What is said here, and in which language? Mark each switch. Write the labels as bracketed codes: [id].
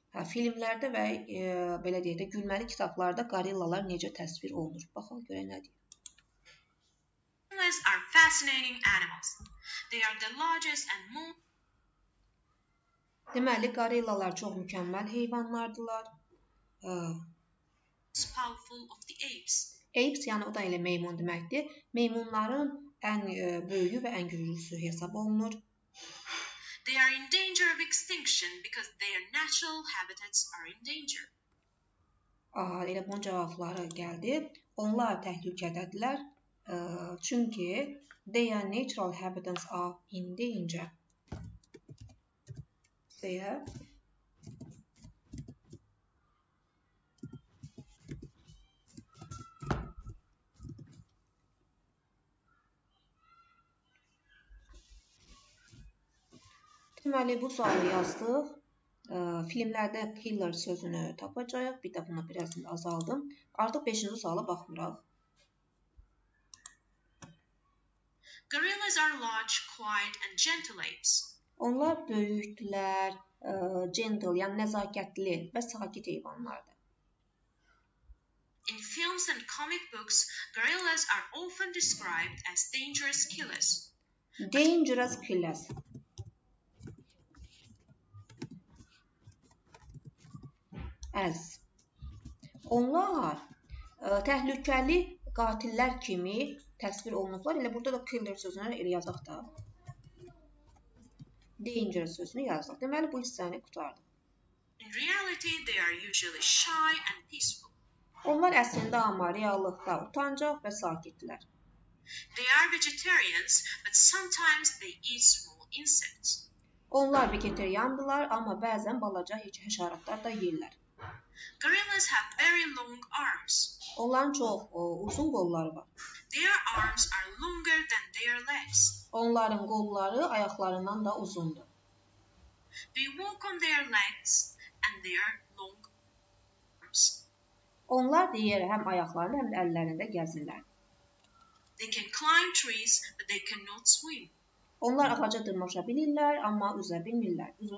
[az] Hə, filmlərdə və belə deyək də, gülməli kitablarda qorillalar necə təsvir olunur? Baxaq, görə nə deyir. [en] Are fascinating animals. They are the largest and most. [az] Deməli, qorillalar çox mükəmməl heyvanlardılar. [en] Powerful of the apes. [az] Apes, yəni o da elə meymun deməkdir. Meymunların ən böyüyü və ən güclüsü hesab olunur. [en] They are in danger of extinction because their natural habitats are in danger. [az] Aha, elə bunun cavabları gəldi. Onlar təhlükədədirlər. [en] Çünki their natural habitats are in danger. [az] Deməli, bu sualı yazdıq. Filmlərdə killer sözünü tapacaq. Bir də buna biraz azaldım. Artıq 5-ci suala baxmıraq. [en] Gorillas are large, quiet and gentle apes. [az] Onlar böyükdülər, gentle, yəni nəzakətli və sakit heyvanlardır. [en] In films and comic books, gorillas are often described as dangerous killers. Dangerous killers. As. [az] Onlar təhlükəli qatillər kimi təsvir olunublar. Elə burada da killer sözünü elə yazaq da. Dangerous sözünü yazdıq. Deməli, bu hissəni qutardıq. [en] In reality, they are usually shy and peaceful. [az] Onlar əslində, amma reallıqda utancaq və sakitdirlər. [en] They are vegetarians, but sometimes they eat small insects. [az] Onlar vegetariandırlar, amma bəzən balaca həşəratlar da yeyirlər. [en] Gorillas have very long arms. [az] Onların çox uzun qolları var. [en] Their arms are longer than their legs. [az] Onların qolları ayaqlarından da uzundur. [en] They walk on their legs and their long arms. [az] Onlar deyir, həm ayaqlarında, həm əllərində gəzirlər. [en] They can climb trees, but they cannot swim. [az] Onlar ağaca dırmaşa bilirlər, amma üzə bilmirlər.